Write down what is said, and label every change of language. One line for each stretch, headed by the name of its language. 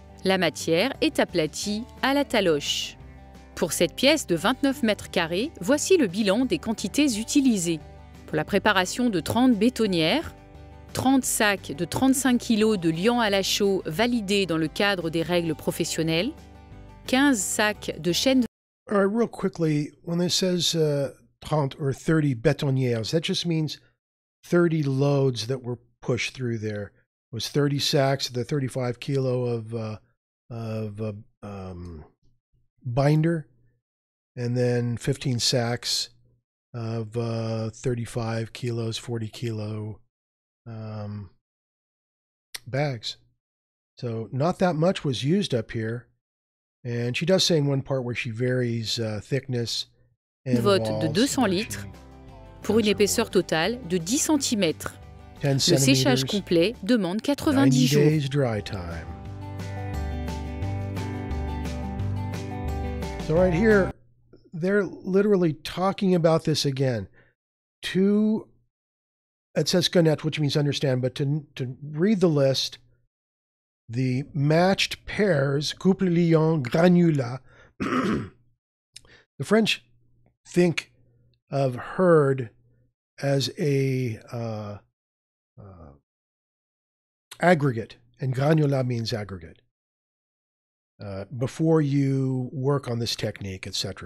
French: La matière est aplatie à la taloche. Pour cette pièce de 29 mètres carrés, voici le bilan des quantités utilisées. Pour la préparation de 30 bétonnières, 30 sacs de 35 kg de liant à la chaux validés dans le cadre des règles professionnelles, 15 sacs de chêne de...
English: All right, real quickly, when it says, 30 or 30 bétonnières, that just means 30 loads that were pushed through there. It was 30 sacks of the 35 kilo of binder, and then 15 sacks of 35 kilos, 40 kilo bags. So not that much was used up here. And she does say in one part where she varies thickness.
French: Une vote de 200 litres pour une épaisseur totale de 10 cm. Le séchage complet demande 90 jours.
English: Dry time. So right here, they're literally talking about this again. It says connect, which means understand, but to read the list, the matched pairs, couple liant granulat, the French think of herd as a aggregate, and granulat means aggregate, before you work on this technique, etc.